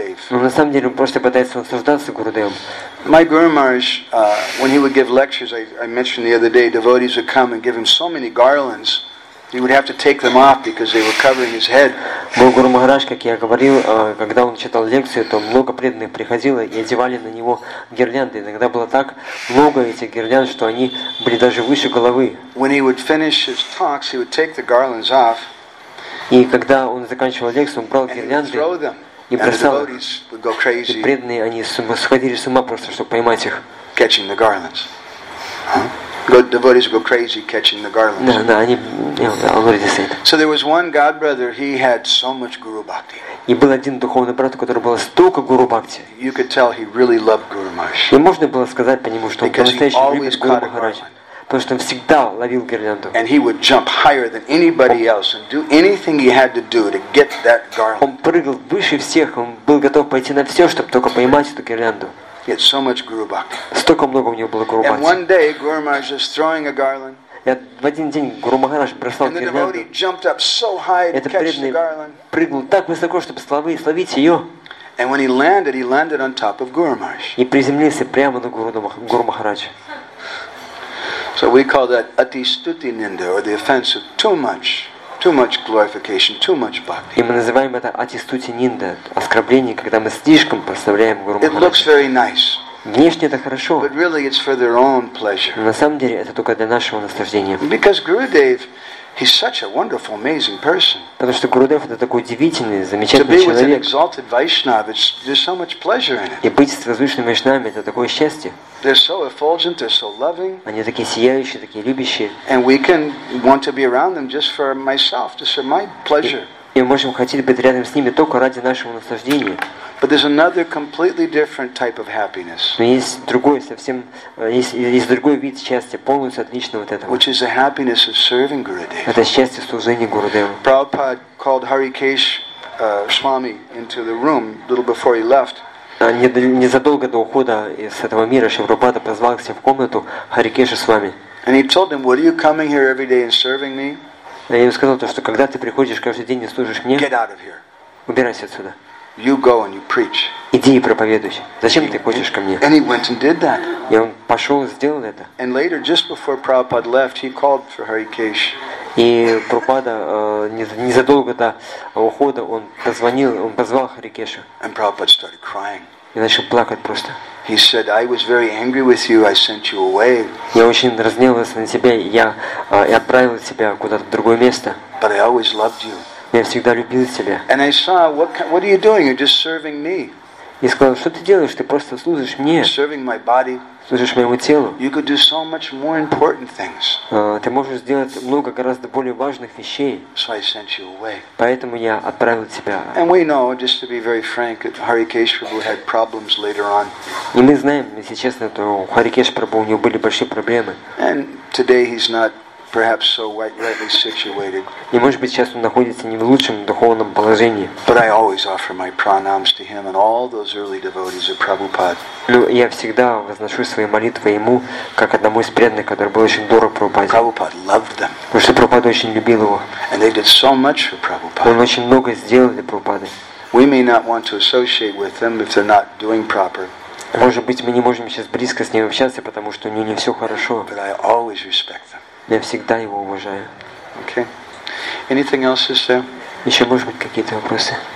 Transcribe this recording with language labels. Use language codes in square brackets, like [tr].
[ru] Но на самом деле он просто пытается наслаждаться Гурудевом. [en] My Guru Maharaj, when he would give lectures, I mentioned the other day, devotees would come and give him so many garlands, he would have to take them off because they were covering his head. [ru] Мой Гуру Махарадж, как я говорил, когда он читал лекции, то много преданных приходило и одевали на него гирлянды. Иногда было так много этих гирлянд, что они были даже выше головы. [en] When he would finish his talks, he would take the garlands off. [ru] И когда он заканчивал лекцию, он брал гирлянды и бросал их. И преданные, они сходили с ума просто, чтобы поймать их. [en] Catching the garlands. Devotees go crazy catching the garlands. [ru] Да, они, [en] already said. So there was one god brother, he had so much guru bhakti. [ru] И был один духовный брат, у которого было столько гуру бхакти. [en] You could tell he really loved Guru Maharaj. [ru] И можно было сказать по нему, что он по-настоящему любит Гуру Махараджа. Потому что он всегда ловил гирлянду. [en] And he would jump higher than anybody else and do anything he had to do to get that garland. [ru] Он прыгал выше всех, он был готов пойти на все, чтобы только поймать эту гирлянду. [en] He had so much guru bhakti. [ru] Столько много у него было гуру бхакти. [en] And one day Guru Maharaj was throwing a garland. [ru] В один день Гуру Махарадж бросал гирлянду. Это преданный прыгнул так высоко, чтобы словить ее. [en] And when he landed on top of Guru Maharaj. [ru] И приземлился прямо на Гуру Махараджа. [en] So we call that atistuti ninda, or the offense of too much glorification, too much bhakti. [ru] И мы называем это атистути нинда, оскорбление, когда мы слишком прославляем Гуру Махараджа. [en] It looks very nice. [ru] Внешне это хорошо. [en] But really, it's for their own pleasure. [ru] На самом деле, это только для нашего наслаждения. [en] Because Gurudev, he's such a wonderful, amazing person. [ru] Потому что Гурудев это такой удивительный, замечательный человек. [en] To be with an exalted Vaishnava, there's so much pleasure in it. [ru] И быть с возвышенным Вайшнавом это такое счастье. [en] They're so effulgent, they're so loving. [ru] Они такие сияющие, такие любящие. [en] And we can want to be around them just for myself, just for my pleasure. [ru] И мы можем хотеть быть рядом с ними только ради нашего наслаждения. [en] But there's another completely different type of happiness. [ru] Но есть другой совсем есть другой вид счастья, полностью отличный от этого. [en] Which is the happiness of serving Gurudev. [ru] Это счастье служения Гурудеву. [en] Prabhupada called Harikesh Swami into the room a little before he left. [ru] Незадолго до ухода из этого мира Шивропада позвал к себе в комнату Харикеша Свами. [en] And he told him, "What are you coming here every day and serving me?" [ru] Я ему сказал то, что когда ты приходишь каждый день и служишь мне, [en] get out of here. [ru] Убирайся отсюда. [en] You go and you preach. [ru] Иди и проповедуй. Зачем ты ходишь ко мне? [en] And he went and did that. [ru] И он пошел и сделал это. [en] And later, just before Prabhupada left, he called for Harikesh. [ru] И Прабхупада незадолго до ухода он позвал Харикеша. [en] And Prabhupada started crying. [ru] И начал плакать просто. [en] He said, "I was very angry with you. I sent you away." [ru] Я очень разгневался на тебя. Я отправил тебя куда-то в другое место. [en] But I always loved you. [ru] Я всегда любил тебя. [en] And I saw what are you doing? You're just serving me. [ru] И сказал, что ты делаешь? Ты просто служишь мне. [en] Serving my body. [ru] Служишь моему телу. [en] You could do so much more important things. [ru] Ты можешь сделать много гораздо более важных вещей. [en] So I sent you away. [ru] Поэтому я отправил тебя. [en] And we know, just to be very frank, that Harikesh Prabhu had problems later on. [ru] И мы знаем, если честно, то у Харикеш Прабху у него были большие проблемы. [en] And today he's not. Perhaps so rightly situated. [ru] И может быть сейчас он находится не в лучшем духовном положении. [en] But I always offer my pranams to him and all those early devotees of Prabhupada. [ru] Ну я всегда возношу свои молитвы ему как одному из преданных, который был очень дорог Прабхупаде. [en] Prabhupada loved them. [ru] Потому что Прабхупада очень любил его. [en] And they did so much for Prabhupada. [ru] Он очень много сделал для Прабхупады. [en] We may not want to associate with them if they're not doing proper. [ru] Может быть мы не можем сейчас близко с ним общаться, потому что у него не все хорошо. [en] But I always respect them. [ru] Я всегда его уважаю. [en] Okay. Anything else, sister? [ru] Еще может быть какие-то вопросы?